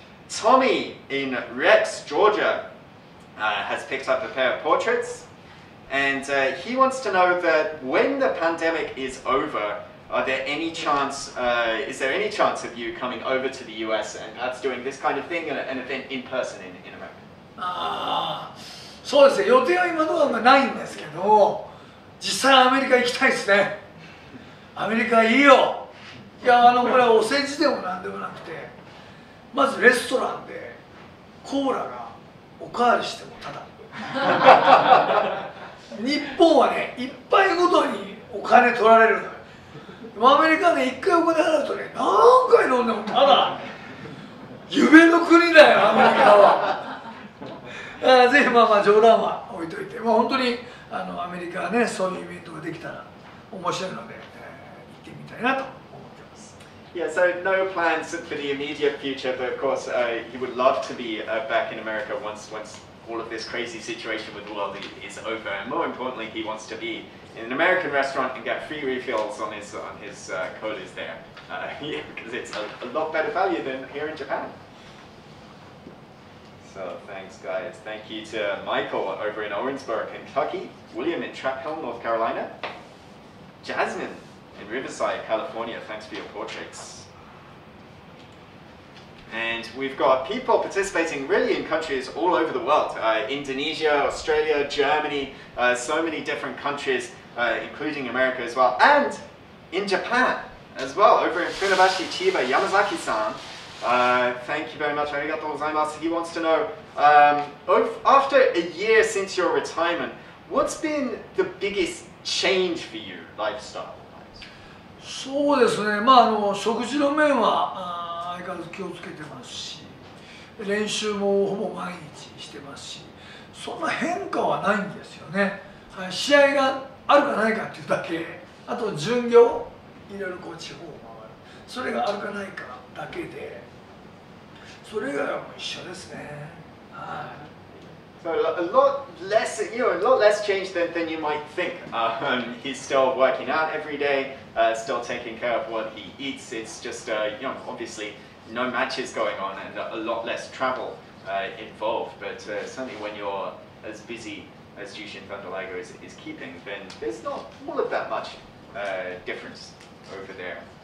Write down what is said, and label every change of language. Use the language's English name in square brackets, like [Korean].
[English] Tommy in Rex, Georgia, has picked up a pair of portraits, and he wants to know that when the pandemic is over, is there any chance of you coming over to the US and perhaps doing this kind of thing, an event in person in America? [Japanese] そうですね、予定は今のはないんですけど、実際アメリカ行きたいですね。アメリカいいよ。いや、これお世辞でもなんでもなくて、まずレストランでコーラがおかわりしてもただ。日本はね、一杯ごとにお金取られるのよ。アメリカで一回お金払うとね、何回飲んでもただ。夢の国だよ、アメリカは。ぜひ、まあ冗談は置いといて、まあ、本当にアメリカはね、そういうイベントができたら面白いので、行ってみたいなと。 [English] Yeah, so no plans for the immediate future, but of course he would love to be back in America once all of this crazy situation with the world is over. And more importantly, he wants to be in an American restaurant and get free refills on his colas there. Yeah, because it's a lot better value than here in Japan. So thanks, guys. Thank you to Michael over in Owensboro, Kentucky, William in Trap Hill, North Carolina, Jasmine in Riverside, California, thanks for your portraits. And we've got people participating really in countries all over the world. Indonesia, Australia, Germany, so many different countries, including America as well. And in Japan as well, over in Funabashi, Chiba, Yamazaki-san. Thank you very much, [Japanese] arigatou gozaimasu. [English] He wants to know, after a year since your retirement, what's been the biggest change for you, lifestyle? [Japanese] そうですね、まあ、食事の面は相変わらず気をつけてますし、練習もほぼ毎日してますし、そんな変化はないんですよね。試合があるかないかっていうだけ、あと巡業、いろいろこう地方を回る、それがあるかないかだけで、それ以外はもう一緒ですね。はい。 [English] So a lot less change than you might think. He's still working out every day, still taking care of what he eats. It's just, obviously no matches going on and a lot less travel involved. But certainly when you're as busy as Jyushin Thunder Liger is keeping, then there's not all of that much difference over there.